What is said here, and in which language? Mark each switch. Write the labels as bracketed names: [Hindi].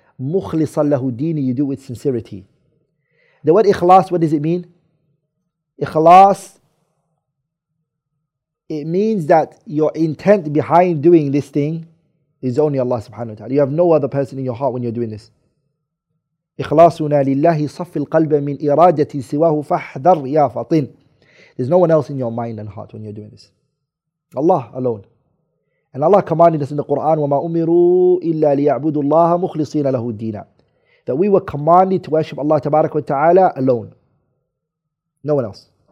[Arabic] مخلصا له ديني, [English] you do with sincerity. The word ikhlas, what does it mean? Ikhlas, it means that your intent behind doing this thing is only Allah subhanahu wa ta'ala. You have no other person in your heart when you're doing this. [Arabic] إخلاصنا لله صف القلب من إرادة سواه فاحذر يا فطن. [English] There's no one else in your mind and heart when you're doing this. Allah alone. And Allah commanded us in the Quran, [Arabic] وَمَا أُمِرُوا إِلَّا لِيَعْبُدُوا اللَّهَ مُخْلِصِينَ لَهُ الدِّينَ. [English] That we were commanded to worship Allah تبارك وتعالى alone. No one else.